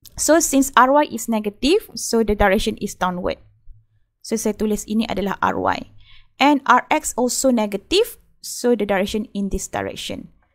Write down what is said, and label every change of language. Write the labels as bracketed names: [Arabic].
[English] So, since ry is negative, so the direction is downward. [Indonesian] So, saya tulis ini adalah ry. [English] And rx also negative, so the direction in this direction.